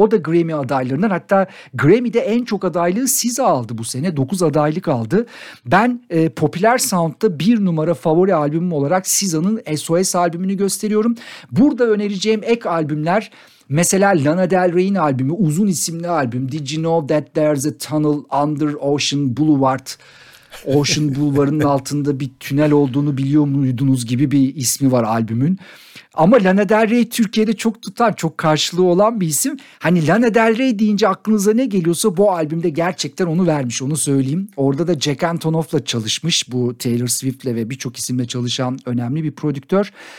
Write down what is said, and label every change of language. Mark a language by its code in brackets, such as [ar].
[tr] O da Grammy adaylarından. Hatta Grammy'de en çok adaylığı SZA aldı bu sene. 9 adaylık aldı. Ben popüler sound'da bir numara favori albümüm olarak SZA'nın SOS albümünü gösteriyorum. Burada önereceğim ek albümler mesela Lana Del Rey'in albümü, uzun isimli albüm. [en] Did You Know That There's a Tunnel Under Ocean Boulevard? [tr] Ocean Boulevard'ın altında bir tünel olduğunu biliyor muydunuz gibi bir ismi var albümün. Ama Lana Del Rey Türkiye'de çok tutan, çok karşılığı olan bir isim. Hani Lana Del Rey deyince aklınıza ne geliyorsa bu albümde gerçekten onu vermiş, onu söyleyeyim. Orada da Jack Antonoff'la çalışmış, bu Taylor Swift'le ve birçok isimle çalışan önemli bir prodüktör.